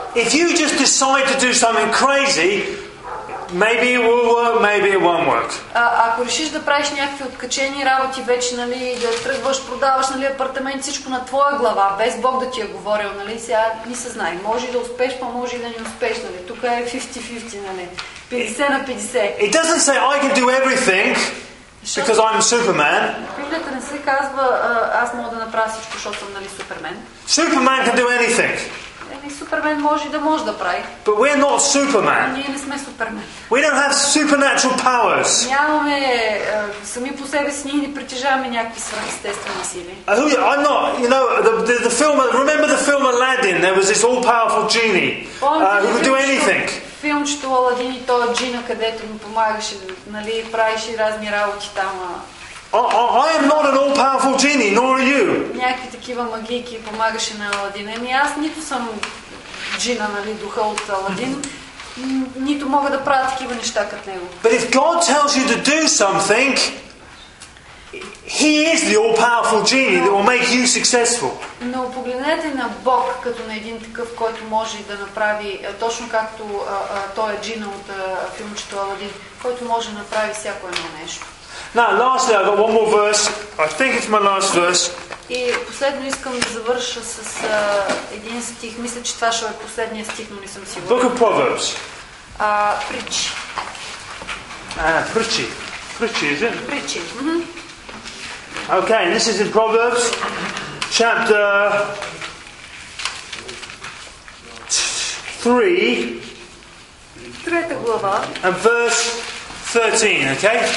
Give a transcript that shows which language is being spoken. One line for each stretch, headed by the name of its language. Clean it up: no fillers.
English: If you just decide to do something crazy, maybe it will work, maybe it won't work.
Bulgarian: Ако решиш да правиш някакви откачени работи вече, нали, да тръгваш, продаваш, нали, апартамент, всичко на твоя глава, без Бог да ти е говорил, нали, сега не се знае. Може да успеш, па може да не успеш, нали. Тук е 50-50, нали. 50-50.
English: It doesn't say I can do everything because I'm Superman.
Bulgarian: Библията не се казва аз мога да направя всичко, защото съм, нали, Супермен.
English: Superman can do anything.
Bulgarian: Супермен може да може да прави.
English: But we're not Superman.
Bulgarian: Ние не сме Супермен.
English: We don't have supernatural powers.
Bulgarian: Нямаме сами по себе си, ние не притежаваме някакви свръхестествени сили.
English: The film, remember the film Aladdin? There was this all-powerful genie who could do anything.
Bulgarian: Филмчето Аладин и тоя джина, където му помагаше, нали, правиш и разни работи там.
English: I am not an all-powerful genie, nor are
Bulgarian: такива магики помагаше на Аладин. Еми аз нито съм джина, нали, духа от Аладин, нито мога да правя такива неща като него.
English: But if God tells you to do something, He is the all-powerful genie that will make you successful.
Bulgarian: Но погледнете на Бог като на един такъв, който може да направи точно както той е джина от филмчето Аладин, който може да направи всяко едно нещо.
English: Now, lastly, I've got one more verse. I think it's my last verse.
Bulgarian: И последно искам да завърша с един стих. Мисля, че това ще е последният стих, но не съм сигурен. Book of Proverbs. Притчи. Притчи.
English: Притчи, is it?
Bulgarian: Притчи.
English: Okay, this is in Proverbs, chapter 3.
Bulgarian: Трета глава.
English: And verse 13, okay?